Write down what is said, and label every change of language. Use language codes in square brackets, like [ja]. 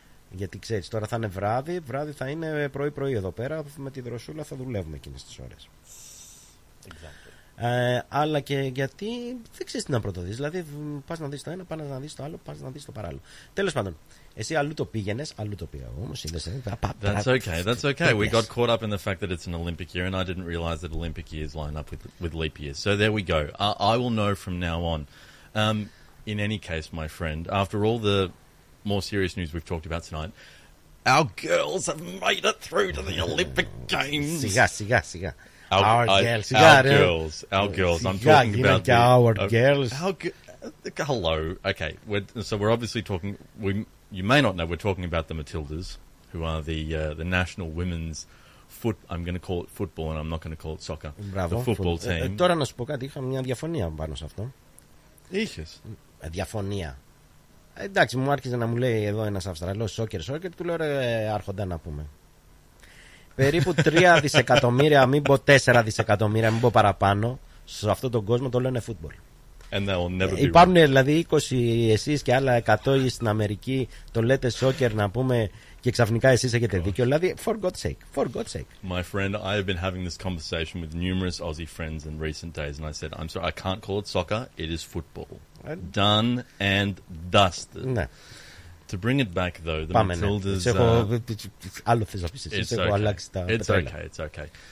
[el] Γιατί ξέρεις, τώρα θα είναι βράδυ, βράδυ θα είναι πρωί-πρωί εδώ πέρα. Με τη δροσούλα θα δουλεύουμε εκείνες τις ώρες. Αλλά και γιατί δεν ξέρεις τι να πρωτοδείς. Δηλαδή, πας να δεις το ένα, πας να δεις το άλλο, πας να δεις το παράλληλο. Τέλος πάντων, εσύ αλλού το πήγαινες, αλλού το πήγα όμως. [en] That's okay, that's okay. We got caught up in the fact that it's an Olympic year and I didn't realize that Olympic years line up with leap years. So there we go. I will know from now on. In any case, my friend, after all the more serious news we've talked about tonight, our girls have made it through to the Olympic Games. [el] Σιγά, σιγά, σιγά. [en] Our girls. I'm talking about the... Our girls. Hello. Okay. We're obviously talking... You may not know, we're talking about the Matildas, who are the national women's I'm going to call it football and I'm not going to call it soccer. Bravo, the football team. [el] Τώρα να σου πω κάτι, είχα μια διαφωνία πάνω σε αυτό. Είχες. Διαφωνία. Εντάξει, μου άρχισε να μου λέει εδώ ένας Αυστραλός σόκερ, του λέω ρε άρχοντα να πούμε. Περίπου 3 δισεκατομμύρια, μην πω 4 δισεκατομμύρια, μην πω παραπάνω, σε αυτόν τον κόσμο το λένε football. [en] And they'll never be wrong. [el] Υπάρχουν δηλαδή 20 εσείς και άλλα 100 στην Αμερική, το λέτε σόκερ να πούμε και ξαφνικά εσείς έχετε δίκιο. Δηλαδή, [en] for God's sake, for God's sake. My friend, I have been having this conversation with numerous Aussie friends in recent days and I said, I'm sorry, I can't call it soccer, it is football. Done and dusted. [el] Ναι. [en] To bring it back though, the [el] πάμε, [en] Matildas. It's okay.